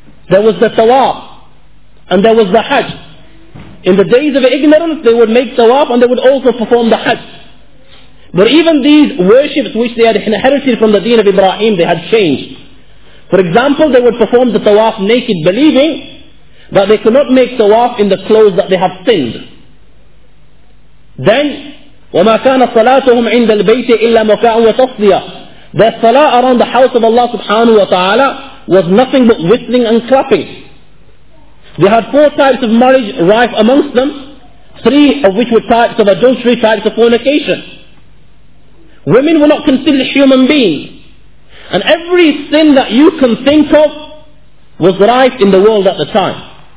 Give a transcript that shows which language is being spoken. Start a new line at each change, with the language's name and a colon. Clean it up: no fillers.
English: There was the tawaf, and there was the hajj. In the days of ignorance, they would make tawaf and they would also perform the hajj. But even these worships which they had inherited from the deen of Ibrahim, they had changed. For example, they would perform the tawaf naked, believing that they could not make tawaf in the clothes that they have sinned. Then,
Arabic: وَمَا كَانَ صَلَاتُهُمْ عِنْدَ الْبَيْتِ إِلَّا مُكَاءً وَتَصْدِيَةً.
English: Their salah around the house of Allah subhanahu wa ta'ala was nothing but whistling and clapping. They had four types of marriage rife amongst them, three of which were types of adultery, types of fornication. Women were not considered human beings. And every sin that you can think of was rife in the world at the time.